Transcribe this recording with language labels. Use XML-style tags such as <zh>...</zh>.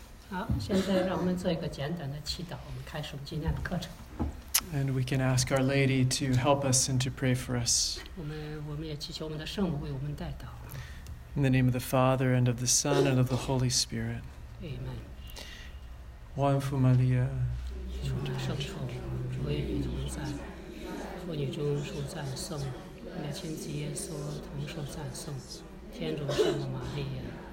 <zh>好，现在让我们做一个简短的祈祷。我们开始今天的课程。</zh> <en>And we can ask Our Lady to help us and to pray for us.</en> <zh>我们也祈求我们的圣母为我们代祷。</zh> <en>In the name of the Father and of the Son and of the Holy Spirit. Amen.</en> <zh>万福 Maria. 主祝圣宠，主也与同在，妇女中受赞颂，母亲及耶稣同受赞颂，天主圣母玛利亚。</zh>